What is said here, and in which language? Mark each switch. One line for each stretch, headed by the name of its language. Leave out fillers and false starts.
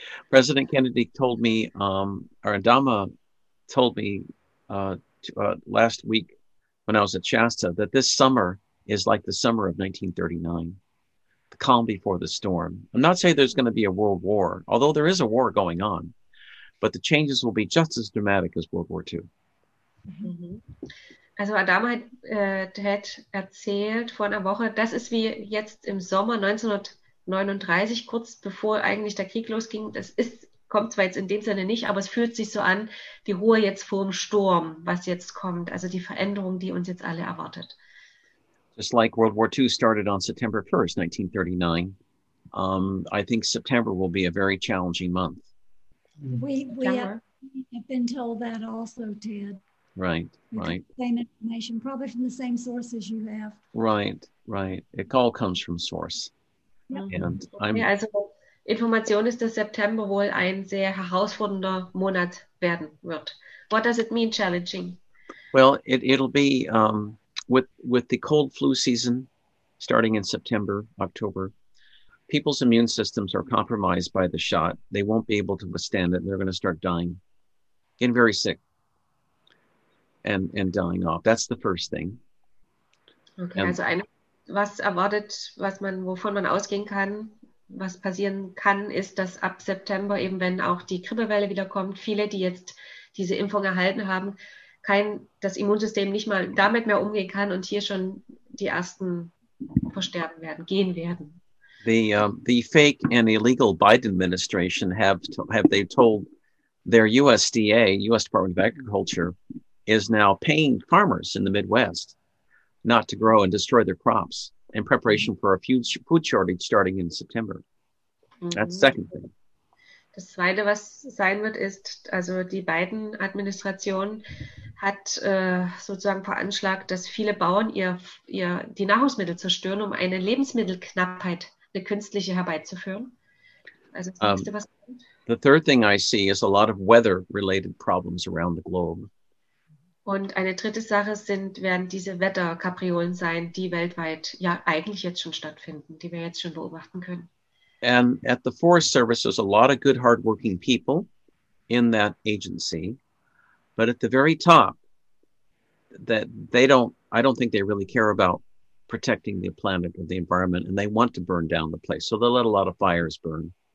English: President Kennedy told me, or Adama told me last week when I was at Shasta, that this summer is like the summer of 1939, the calm before the storm. I'm not saying there's going to be a world war, although there is a war going on, but the changes will be just as dramatic as World War II. Mm-hmm.
German: Also Adama hat erzählt vor einer Woche, das ist wie jetzt im Sommer 1939, kurz bevor eigentlich der Krieg losging, das ist kommt zwar jetzt in dem Sinne nicht, aber es fühlt sich so an, die Ruhe jetzt vor dem Sturm, was jetzt kommt, also die Veränderung, die uns jetzt alle erwartet.
English: Just like World War II started on September 1st, 1939, I think September will be a very challenging month. We have been told that also, Ted. Right, right. Same information, probably from the same sources you have. Right, right. It all comes from source. Yep. And I'm...
German: Ja, also Information ist, dass September wohl ein sehr herausfordernder Monat werden wird.
English: What does it mean, challenging? Well, it'll be with the cold flu season starting in September, October, people's immune systems are compromised by the shot. They won't be able to withstand it. And they're going to start dying, getting very sick and dying off. That's the first thing.
German: Okay, and, also eine, was erwartet, was man, wovon man ausgehen kann, was passieren kann, ist, dass ab September, eben wenn auch die Grippewelle wiederkommt, viele, die jetzt diese Impfung erhalten haben, das Immunsystem nicht mal damit mehr umgehen kann und hier schon die ersten versterben werden, gehen werden.
English: The fake and illegal Biden administration have they told their USDA, U.S. Department of Agriculture, is now paying farmers in the Midwest not to grow and destroy their crops in preparation for a food shortage starting in September. That's the second thing.
German: Das Zweite, was sein wird, ist, also die Biden-Administration hat sozusagen veranschlagt, dass viele Bauern die Nahrungsmittel zerstören, um eine Lebensmittelknappheit, eine künstliche, herbeizuführen. Also das Nächste, was kommt.
English: The third thing I see is a lot of weather-related problems around the globe.
German: Und eine dritte Sache werden diese Wetterkapriolen sein, die weltweit ja eigentlich jetzt schon stattfinden, die wir jetzt schon beobachten können.
English: And at the Forest Service, there's a lot of good, hardworking people in that agency. But at the very top, that they don't, I don't think they really care about protecting the planet or the environment, and they want to burn down the place. So they'll let a lot of fires burn.